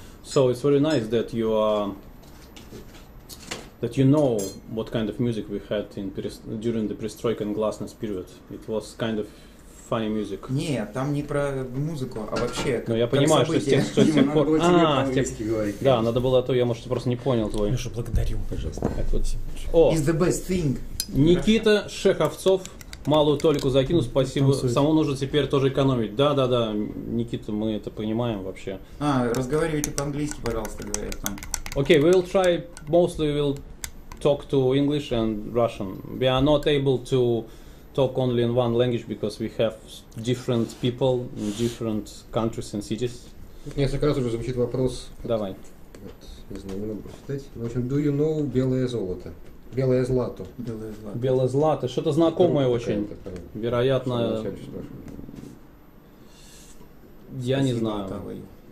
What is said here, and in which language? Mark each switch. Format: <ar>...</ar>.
<en>So it's very nice that you that you know what kind of music we had in during the perestroika and glasnost period. It was kind of funny music.</en> <ru>Не, там не про музыку, а вообще. Ну я понимаю, что с тех пор... Надо было тебе по-английски говорить. Да, надо было, а то я, может, просто не понял твой. Миша, благодарю, пожалуйста.</ru> <en>It's the best thing.</en> <ru>Никита Шеховцов. Малую толику закину, спасибо. Саму нужно теперь тоже экономить. Да, Никита, мы это понимаем вообще. А, разговаривайте по-английски, пожалуйста, говорят там.</ru> <en>Окей, we'll try, mostly we'll talk to English and Russian. We are not able to talk only in one language because we have different people in different countries and cities.</en> <ru>Несколько раз уже звучит вопрос. Давай. Вот, не знаю, не могу читать. Ну, в общем,</ru> <en>do you know</en> <ru>белое золото? Белое злато. Белое злато. Белое злато. Что-то знакомое очень. Такая. Вероятно. Я спасибо, не знаю.</ru>